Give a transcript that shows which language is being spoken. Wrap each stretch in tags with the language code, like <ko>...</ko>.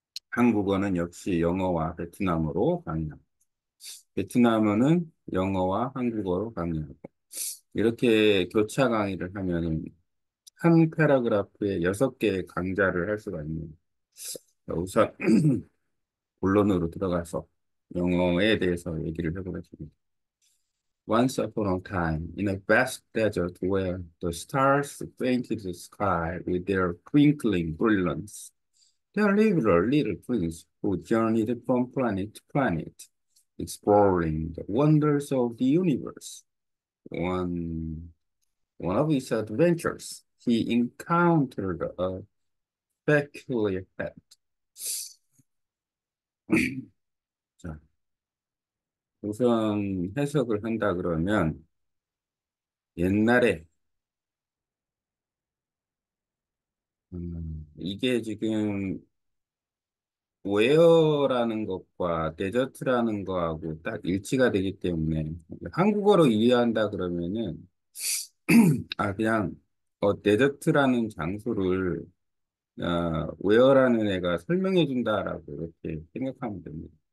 <ko>한국어는 역시 영어와 베트남어로 강의하고, 베트남어는 영어와 한국어로 강의하고, 이렇게 교차 강의를 하면 한 파라그라프에 6개의 강좌를 할 수가 있는. 우선 본론으로 들어가서 영어에 대해서 얘기를 해보겠습니다.</ko> <en>Once upon a time, in a vast desert where the stars painted the sky with their twinkling brilliance, there lived a little prince who journeyed from planet to planet, exploring the wonders of the universe. One of his adventures, he encountered a peculiar pet.</en> <ko>우선 해석을 한다 그러면, 옛날에, 이게 지금, 웨어라는 것과 데저트라는 것하고 딱 일치가 되기 때문에 한국어로 이해한다 그러면은 그냥 데저트라는 장소를 웨어라는 애가 설명해 준다라고 이렇게 생각하면 됩니다.</ko>